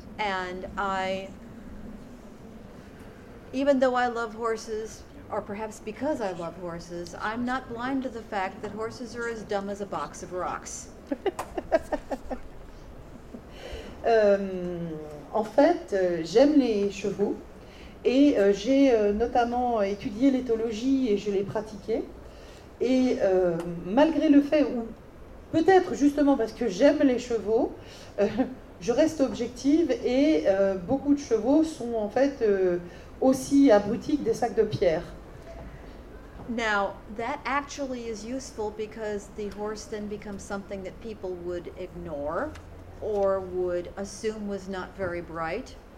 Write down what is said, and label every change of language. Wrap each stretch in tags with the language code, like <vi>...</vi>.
<en>And even though I love horses, or perhaps because I love horses, I'm not blind to the fact that horses are as dumb as a box of rocks.</en> <fr>En fait, j'aime les chevaux. Et j'ai notamment étudié l'éthologie et je l'ai pratiquée. Et malgré le fait, ou peut-être justement parce que j'aime les chevaux, je reste objective et beaucoup de chevaux sont en fait aussi abrutis que des sacs de pierre.</fr> <en>Now, that actually is useful because the horse then becomes something that people would ignore or would assume was not very bright.</en>